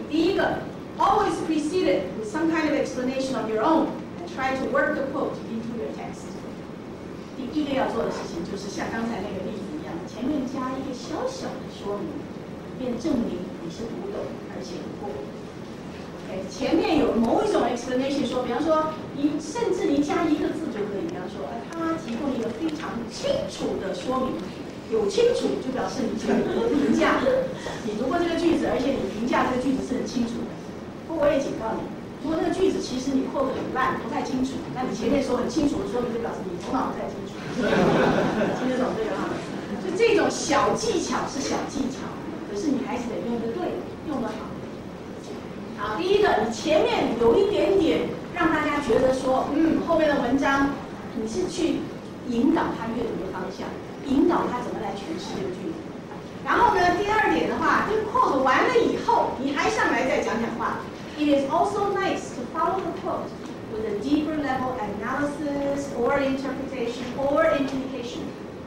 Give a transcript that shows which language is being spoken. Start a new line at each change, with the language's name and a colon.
Chinese: 第一个，
English: Always preceded with some kind of explanation of your own and try to work the quote into your text。
Chinese: 第一个要做的事情就是像刚才那个例子一样，前面加一个小小的说明，便证明你是读懂而且读过。前面有某一种 explanation， 说比方说你甚至你加一个字就可以，比方说他提供一个非常清楚的说明，有清楚就表示你这个评价，你读过这个句子，而且你评价这个句子是很清楚的。不过我也警告你，如果那个句子其实你扣得很烂不太清楚，那你前面说很清楚的说明就表示你头脑不太清楚，听得懂对吗？就这种小技巧是小技巧，可是你还是得用得对，用得好。好，第一个，你前面有一点点让大家觉得说，后面的文章你是去引导他阅读的方向，引导他怎么来诠释这个句子。然后呢，第二点的话，就 quote 完了以后，你还上来再讲讲话。
English: It is also nice to follow the quote with a deeper level analysis or interpretation or indication。